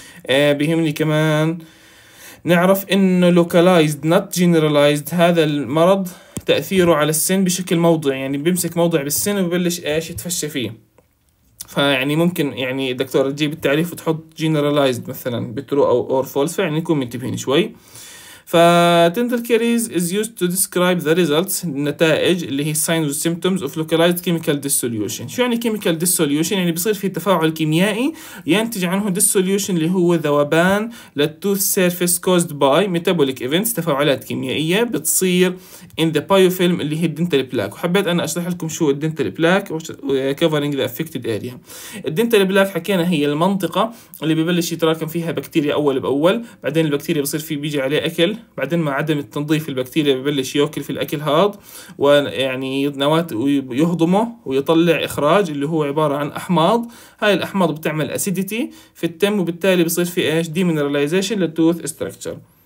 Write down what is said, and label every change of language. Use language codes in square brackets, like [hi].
[ar] بهمني كمان نعرف انه [en] localized not generalized، [ar] هذا المرض تأثيره على السن بشكل موضعي يعني بيمسك موضع بالسن وبيبلش ايش يتفشى فيه، فيعني ممكن يعني دكتور تجيب التعريف وتحط generalized مثلا [en] true or false، [ar] فيعني نكون منتبهين شوي. [en] فdental caries is used to describe the results، [ar] النتائج اللي هي [en] signs and symptoms of localized chemical dissolution. [ar] شو يعني chemical dissolution؟ يعني بصير في تفاعل كيميائي ينتج عنه dissolution اللي هو ذوبان لل [en] tooth surface caused by metabolic events، [ar] تفاعلات كيميائية بتصير [en] in the biofilm [ar] اللي هي dental plaque. وحبيت أنا أشرح لكم شو [en] dental plaque covering the affected area. [ar] dental plaque حكينا هي المنطقة اللي ببلش يتراكم فيها بكتيريا أول بأول، بعدين البكتيريا بصير فيه بيجي عليه أكل، بعدين مع عدم التنظيف البكتيريا ببلش يأكل في الأكل هاد ويعني نوات ويهضمه ويطلع إخراج اللي هو عبارة عن أحماض، هاي الأحماض بتعمل أسيديتي في التم وبالتالي بصير في إيش [en] Demineralisation للتوث structure.